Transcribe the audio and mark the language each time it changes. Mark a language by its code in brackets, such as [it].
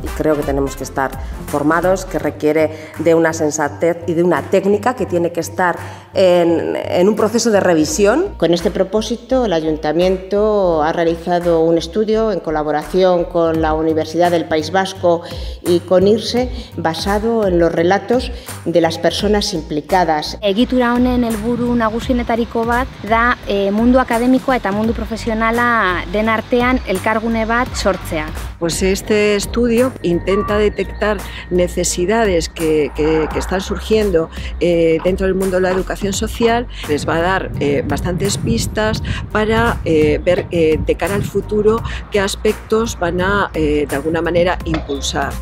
[es] Y creo que tenemos que estar formados, que requiere de una sensatez y de una técnica que tiene que estar en un proceso de revisión. Con este propósito, el Ayuntamiento ha realizado un estudio en colaboración con la Universidad del País Vasco y con IRSE, basado en los relatos de las personas implicadas. [eu] Egitura honen helburu nagusienetariko bat da mundu akademikoa eta mundu profesionala den artean elkargune bat sortzea. [es] Pues este estudio intenta detectar necesidades que están surgiendo dentro del mundo de la educación social. Les va a dar bastantes pistas para ver de cara al futuro qué aspectos van a, de alguna manera, impulsar.